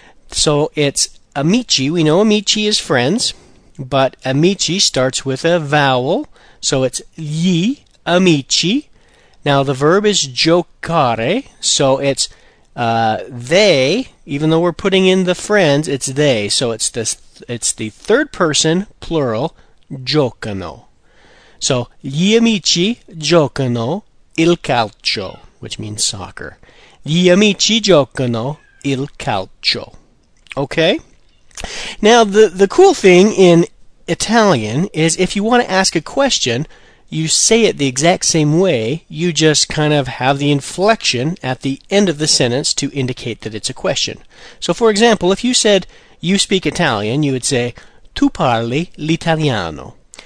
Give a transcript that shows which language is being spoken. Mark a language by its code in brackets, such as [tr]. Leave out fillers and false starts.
[en] So it's amici. We know amici is friends, but amici starts with a vowel. So it's gli amici. Now the verb is giocare. So it's they, even though we're putting in the friends, it's they. So it's this, it's the third person plural, giocano. So [it] gli amici giocano il calcio, [en] which means soccer. [it] Gli amici giocano il calcio. [en] Okay? Now the cool thing in Italian is if you want to ask a question, you say it the exact same way, you just kind of have the inflection at the end of the sentence to indicate that it's a question. So for example, if you said you speak Italian, you would say [it] tu parli l'italiano.